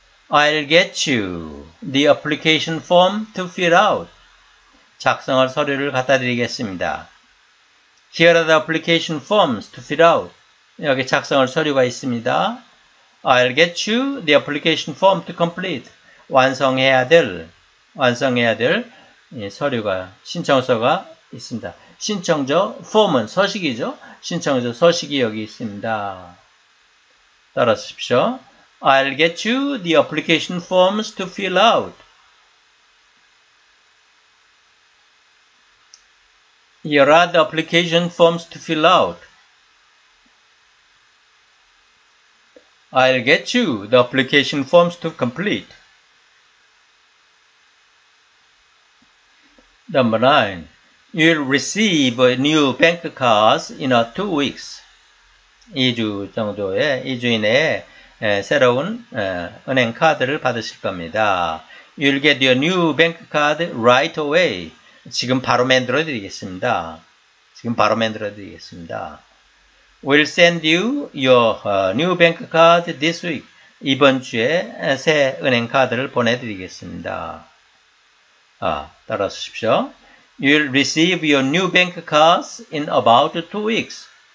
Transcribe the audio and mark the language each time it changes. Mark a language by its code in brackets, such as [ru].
[en] I'll get you the application form to fill out. [ko] 작성할 서류를 갖다 드리겠습니다. [en] Here are the application forms to fill out. [ko] 여기 작성할 서류가 있습니다. [en] I'll get you the application form to complete. [ko] 완성해야 될 서류가 신청서가 있습니다. 신청서 form은 서식이죠. 신청서 서식이 여기 있습니다. 따라하십시오. [en] I'll get you the application forms to fill out. Here are the application forms to fill out. I'll get you the application forms to complete. Number 9. You'll receive new bank cards in 2 weeks. [ko] 2주 정도에, 2주 이내에 새로운 은행 카드를 받으실 겁니다. [en] You'll get your new bank card right away. [ko] 지금 바로 만들어 드리겠습니다. 지금 바로 만들어 드리겠습니다. [en] We'll send you your new bank card this week. [ko] 이번 주에 새 은행 카드를 보내드리겠습니다. 따라하십시오. [en] You'll receive your new bank cards in about 2 weeks.